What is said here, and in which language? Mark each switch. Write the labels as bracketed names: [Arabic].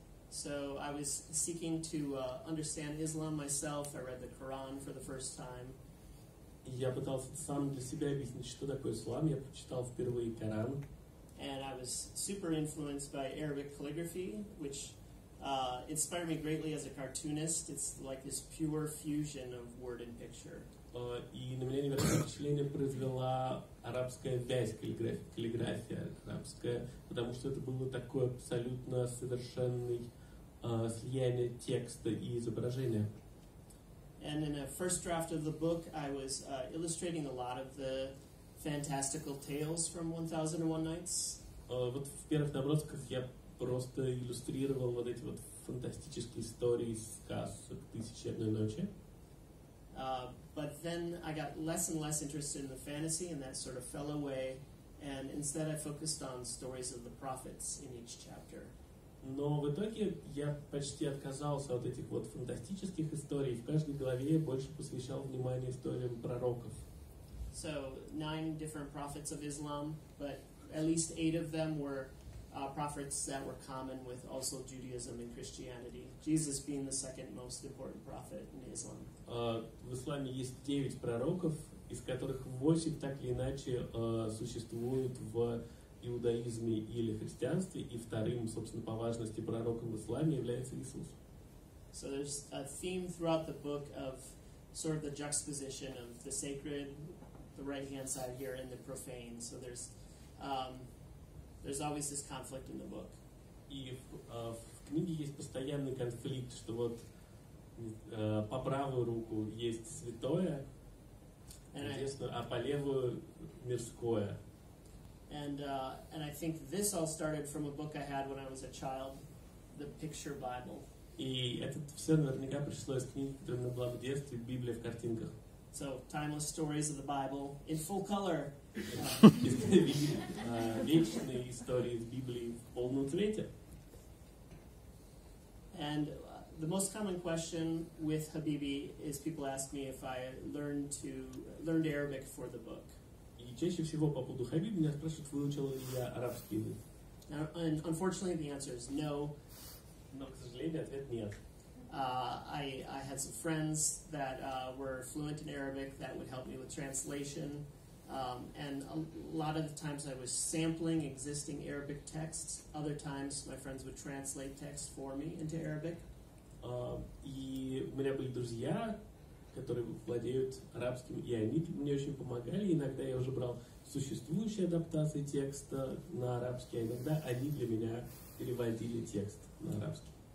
[English] So I was seeking to understand Islam myself. I read the Quran for the first time. [Russian] Я пытался сам для себя объяснить, что такое ислам. Я прочитал впервые Коран. [English] And I was super influenced by Arabic calligraphy, which inspired me greatly as a cartoonist. It's like this pure fusion of word and picture. [Russian] И на меня невероятное впечатление произвела арабская вязь, каллиграфия арабская, потому что это было такое абсолютно совершенное слияние текста и изображения. [English] And in a first draft of the book, I was illustrating a lot of the fantastical tales from 1001 Nights. [Russian] Вот в первых набросках я просто иллюстрировал вот эти вот фантастические истории из сказок «Тысячи и одной ночи». [English] But then I got less and less interested in the fantasy, and that sort of fell away. And instead, I focused on stories of the prophets in each chapter. [Russian] Но в итоге я почти отказался от этих вот фантастических историй. В каждой главе больше посвящал внимание историям пророков. [English] So 9 different prophets of Islam, but at least 8 of them were prophets that were common with also Judaism and Christianity. Jesus being the second most important prophet in Islam. [Russian] В исламе есть 9 пророков, из которых 8 так или иначе существуют в иудаизме или христианстве, и вторым, собственно, по важности пророком в исламе является Иисус. [English] So there's a theme throughout the book of sort of the juxtaposition of the sacred, the right-hand side here, and the profane. So there's always this conflict in the book. [Russian] И в книге есть постоянный конфликт, что вот по правую руку есть святое, а по левую мирское. [English] And I think this all started from a book I had when I was a child, the picture Bible. [Russian] И это все наверняка пришло из книги, которая у меня была в детстве, Библия в картинках. [English] So timeless stories of the Bible in full color. [Russian] Вечные истории из Библии в полном цвете. [English] And the most common question with Хабиби is people ask me if I learned Arabic for the book. [Russian] Чаще всего по поводу Хабиби меня спрашивают, выучил ли я арабский язык. [English] And unfortunately, the answer is no. [Russian] Но, к сожалению, ответ нет. [English] I had some friends that were fluent in Arabic that would help me with translation. And a lot of the times I was sampling existing Arabic texts. Other times my friends would translate texts for me into Arabic. [Russian] И у меня были друзья, которые владеют арабским, и они мне очень помогали. Иногда я уже брал существующие адаптации текста на арабский, а иногда они для меня переводили текст на арабский.